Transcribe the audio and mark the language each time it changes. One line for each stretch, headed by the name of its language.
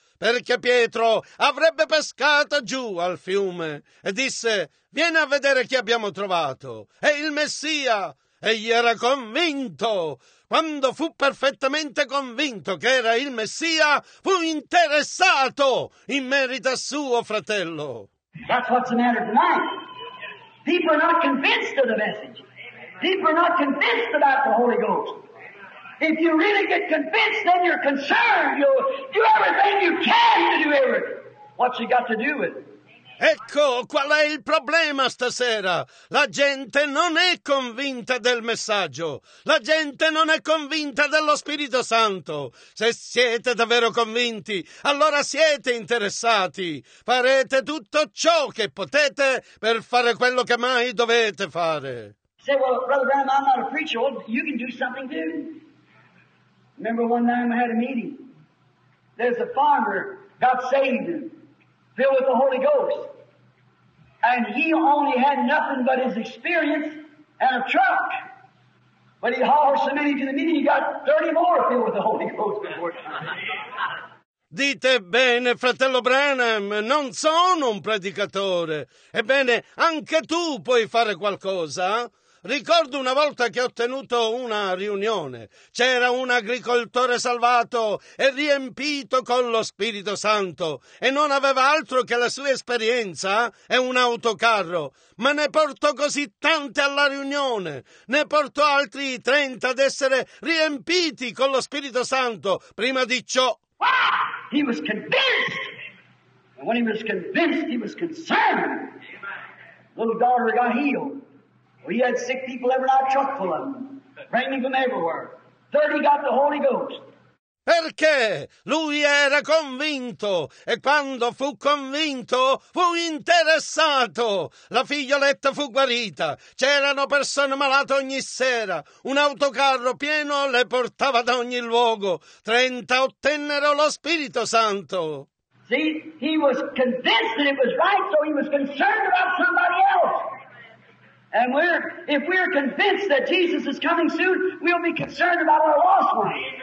Italian: Perché Pietro avrebbe pescato giù al fiume e disse, vieni a vedere chi abbiamo trovato, è il Messia. Egli era convinto. Quando fu perfettamente convinto che era il Messia, fu interessato in merito a suo fratello.
English: That's what's the matter tonight. People are not convinced of the message. People are not convinced about the Holy Ghost. If you really get convinced, then you're concerned. You'll do everything you can to do everything. What you got to do with it?
Italian: Ecco, qual è il problema stasera? La gente non è convinta del messaggio. La gente non è convinta dello Spirito Santo. Se siete davvero convinti, allora siete interessati. Farete tutto ciò che potete per fare quello che mai dovete fare.
English: Say, well, Brother Graham, I'm not a preacher. You can do something too. Remember one time I had a meeting. There's a farmer got saved and filled with the Holy Ghost. And he only had nothing but his experience and a truck. But he hollered so many to the meeting, he got 30 more filled with the Holy Ghost before he died.
Italian: Dite bene, fratello Branham, non sono un predicatore. Ebbene, anche tu puoi fare qualcosa. Ricordo una volta che ho tenuto una riunione. C'era un agricoltore salvato e riempito con lo Spirito Santo e non aveva altro che la sua esperienza e un autocarro. Ma ne portò così tante alla riunione. Ne portò altri 30 ad essere riempiti con lo Spirito Santo. Prima di ciò...
English: Wow! He was convinced! And when he was convinced, he was concerned. Amen. Little daughter got healed. We had sick people every night, chock full of them, raining from everywhere. 30 got the Holy Ghost.
Italian: Perché lui era convinto e quando fu convinto fu interessato. La figlioletta fu guarita. C'erano persone malate ogni sera. Un autocarro pieno le portava da ogni luogo. 30 ottennero lo Spirito Santo.
English: See, he was convinced that it was right, so he was concerned about somebody else. And if we're convinced that Jesus is coming soon, we'll be concerned about our lost ones.